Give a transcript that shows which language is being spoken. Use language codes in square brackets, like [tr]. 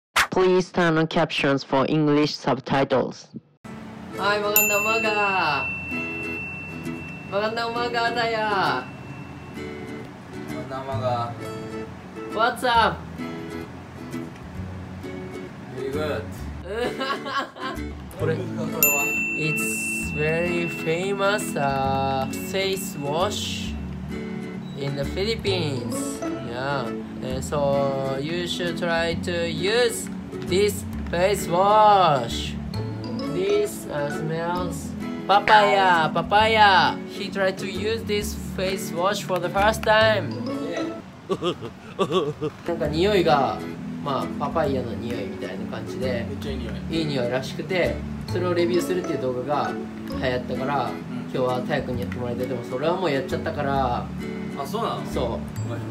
[en] Please turn on captions for English subtitles. [ja] はい、 [tl] マガンダオマガー、マガンダオマガー [ja] だよ。 [tl] マガンダオマガ [en] ー、 What's up? Very good. これ、It's very famous、face wash in the Philippines. Yeah, so you should try to useThis face wash. This、smells papaya. Papaya. He tried to use this face wash for the first time. [ja] なんか匂いが、まあ、パパイヤの匂いみたいな感じで、めっちゃいい匂い。いい匂いらしくて、それをレビューするっていう動画が流行ったから、うん、今日はタヤ君にやってもらいたい。でもそれはもうやっちゃったから。あ、そうなの。そう。